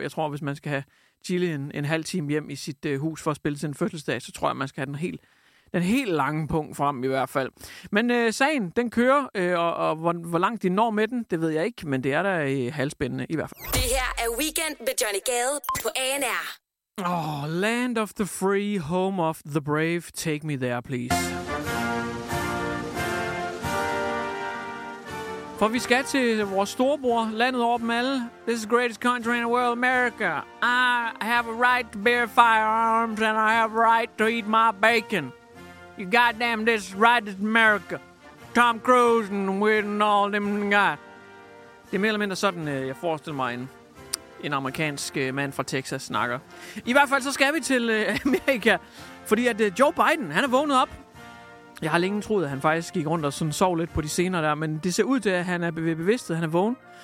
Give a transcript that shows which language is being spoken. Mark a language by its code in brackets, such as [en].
[da] Jeg tror, hvis man skal have Jilly en halv time hjem i sit hus for at spille til en fødselsdag, så tror jeg, man skal have den helt lange punkt frem i hvert fald. Men sagen, den kører, og hvor langt de når med den, det ved jeg ikke, men det er da halvspændende i hvert fald. Det her er Weekend med Johnny Gade på ANR. [en] Oh, land of the free, home of the brave, take me there, please. For vi skal til vores storebror, landet over dem alle. This is the greatest country in the world, America. I have a right to bear firearms, and I have a right to eat my bacon. You goddamn, this right is America. Tom Cruise and Weird and all them guys. [da] Det er mere eller mindre sådan, jeg forestiller mig en amerikansk mand fra Texas snakker. I hvert fald så skal vi til Amerika, fordi at Joe Biden, han er vågnet op. Jeg har længe troet, at han faktisk gik rundt og sådan sov lidt på de scener der, men det ser ud til, at han er ved bevidsthed, han er vågen.